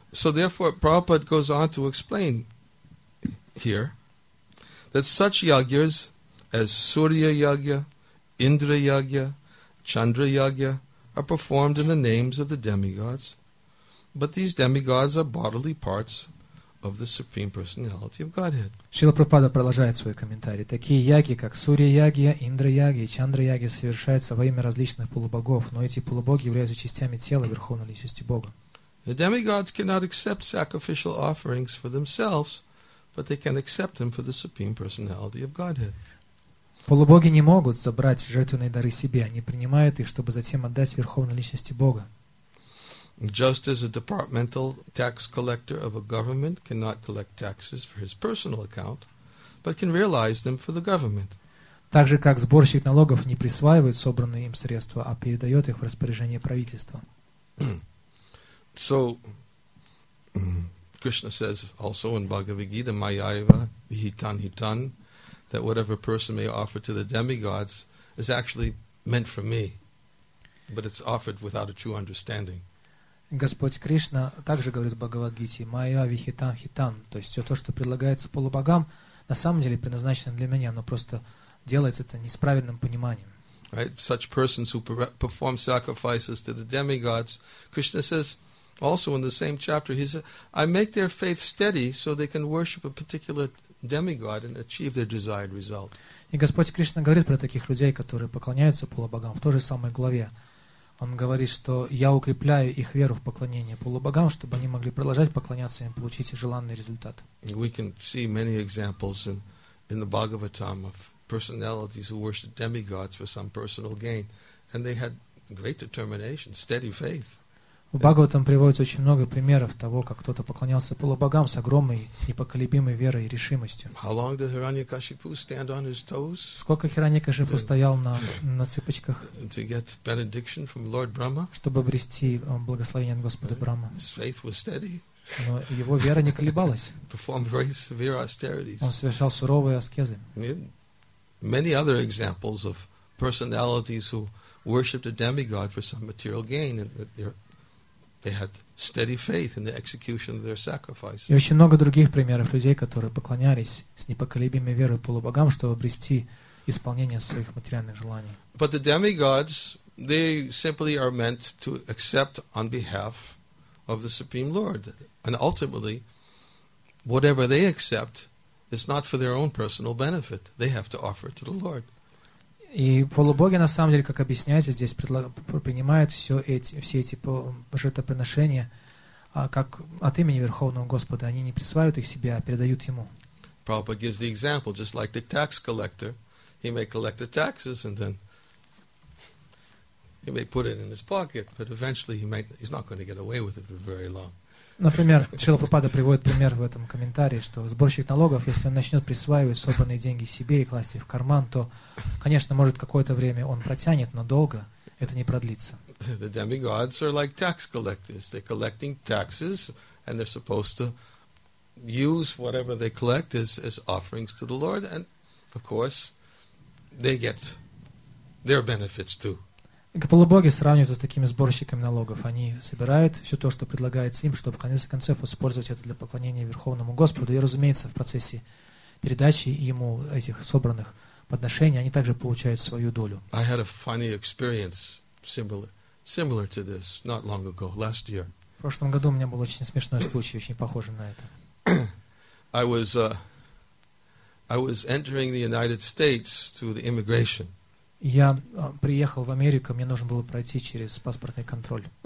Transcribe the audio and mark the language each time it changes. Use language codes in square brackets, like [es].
[en] So therefore Prabhupada goes on to explain here that such yagyas as Surya Yagya, Indra Yagya, Chandra Yagya are performed in the names of the demigods. But these demigods are bodily parts of the Supreme Personality of Godhead. [ru] Шрила Прабхупада продолжает свой комментарий. Такие яги, как Сурья Ягья, Индра Ягья и Чандра Ягья, совершаются во имя различных полубогов, но эти полубоги являются частями тела Верховной Личности Бога. [en] The demigods cannot accept sacrificial offerings for themselves, but they can accept them for the Supreme Personality of Godhead. [ru] Полубоги не могут забрать жертвенные дары себе, они принимают их, чтобы затем отдать Верховной Личности Бога. [en] Just as a departmental tax collector of a government cannot collect taxes for his personal account, but can realize them for the government. [ru] Так же, как сборщик налогов не присваивает собранные им средства, а передает их в распоряжение правительства. [en] So, Krishna says also in Bhagavad Gita, Mayaiva, Vihitan Hitan, that whatever person may offer to the demigods is actually meant for me, but it's offered without a true understanding. [ru] Господь Кришна также говорит в Бхагавад-гите «Майя вихитам хитам», то есть все то, что предлагается полубогам, на самом деле предназначено для меня, но просто делается это не с правильным пониманием. [en] Right? Such persons who perform sacrifices to the demigods, Krishna says also in the same chapter, he says, I make their faith steady so they can worship a particular demigod and achieve their desired result. [ru] И Господь Кришна говорит про таких людей, которые поклоняются полубогам в той же самой главе. Он говорит, что я укрепляю их веру в поклонение полубогам, чтобы они могли продолжать поклоняться им, получить желанный результат. [en] We can see many examples in the Bhagavatam of personalities who worshiped demigods for some personal gain, and they had great determination, steady faith. [ru] В Бхагаватам приводится очень много примеров того, как кто-то поклонялся полубогам с огромной непоколебимой верой и решимостью. [en] How long did Hiranyakashipu stand on his toes? [ru] Сколько Хираньякашипу стоял на цыпочках? [en] To get benediction from Lord Brahma? [ru] Чтобы обрести благословение от Господа Брахмы. [en] His faith was steady. [ru] Но его вера не колебалась. [en] Performed very severe austerities. [ru] Он совершал суровые аскезы. [en] Many other examples of personalities who worshipped a demigod for some material gain and they had steady faith in the execution of their sacrifices. [ru] И очень много других примеров людей, которые поклонялись с непоколебимой верой полубогам, чтобы обрести исполнение своих материальных желаний. [en] But the demigods, they simply are meant to accept on behalf of the Supreme Lord. And ultimately, whatever they accept, it's not for their own personal benefit. They have to offer it to the Lord. [ru] И полубоги, на самом деле, как объясняется здесь, принимают все эти жертвоприношения как от имени Верховного Господа. Они не присваивают их себе, а передают Ему. [en] Prabhupada gives the example, just like the tax collector, he may collect the taxes and then he may put it in his pocket, but eventually he's not going to get away with it for very long. [ru] Например, Шрила Прабхупада приводит пример в этом комментарии, что сборщик налогов, если он начнет присваивать собранные деньги себе и класть их в карман, то, конечно, может, какое-то время он протянет, но долго это не продлится. [en] The demigods are like tax collectors. They're collecting taxes, and they're supposed to use whatever they collect as offerings to the Lord, and, of course, they get their benefits too. [ru] Полубоги сравниваются с такими сборщиками налогов. Они собирают все то, что предлагается им, чтобы в конце концов использовать это для поклонения Верховному Господу. И, разумеется, в процессе передачи ему этих собранных подношений они также получают свою долю. [en] I had a funny experience similar to this not long ago, last year. [ru] В прошлом году у меня был очень смешной случай, очень похожий на это. [en] I was entering the United States through the immigration. [ru] Я приехал в Америку, мне нужно было пройти через паспортный контроль.